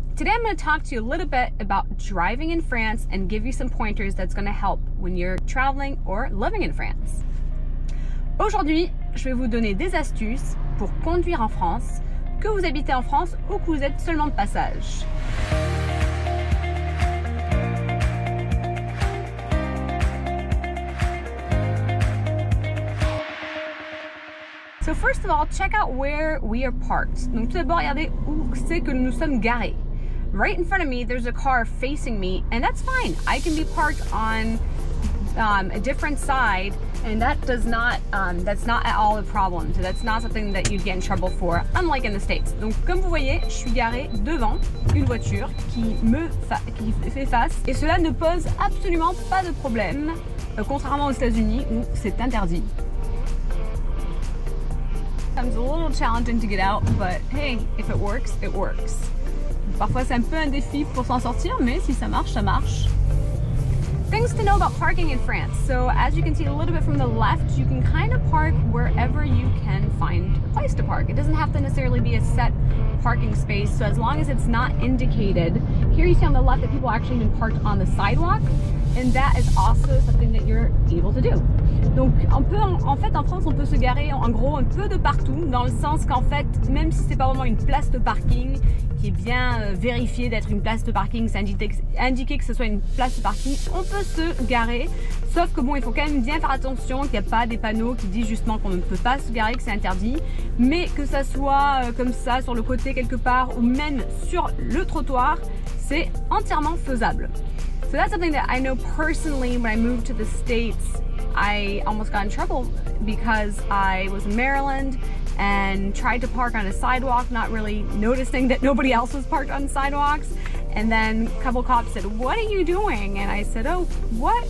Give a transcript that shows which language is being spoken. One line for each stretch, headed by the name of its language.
English: Today I'm going to talk to you a little bit about driving in France and give you some pointers that's going to help when you're traveling or living in France.
French: Aujourd'hui, je vais vous donner des astuces pour conduire en France, que vous habitez en France ou que vous êtes seulement de passage.
English: So first of all, check out where we are parked.
French: Donc tout d'abord, regardez où c'est que nous sommes garés.
English: Right in front of me, there's a car facing me, and that's fine. I can be parked on a different side, and that does not, that's not at all a problem. So that's not something that you'd get in trouble for, unlike in the States.
French: Donc comme vous voyez, je suis garée devant une voiture qui fait face, et cela ne pose absolument pas de problème, contrairement aux États-Unis où c'est interdit.
English: It's a little challenging to get out, but hey, if it works, it works.
French: Parfois c'est un peu un défi pour s'en sortir, mais si ça marche, ça marche.
English: Things to know about parking in France. So as you can see a little bit from the left, you can kind of park wherever you can find a place to park. It doesn't have to necessarily be a set parking space, so as long as it's not indicated. Here you see on the left that people actually even parked on the sidewalk, and that is also something that you're able to do.
French: Donc on peut, en fait en France on peut se garer en gros un peu de partout, dans le sens qu'en fait même si c'est pas vraiment une place de parking qui est bien vérifiée d'être une place de parking, c'est indiqué que ce soit une place de parking, on peut se garer, sauf que bon il faut quand même bien faire attention qu'il n'y a pas des panneaux qui disent justement qu'on ne peut pas se garer, que c'est interdit, mais que ça soit comme ça sur le côté quelque part ou même sur le trottoir, c'est entièrement faisable.
English: So that's something that I know personally when I moved to the States, I almost got in trouble because I was in Maryland and tried to park on a sidewalk, not really noticing that nobody else was parked on sidewalks. And then a couple cops said, "What are you doing?" And I said, "Oh, what?"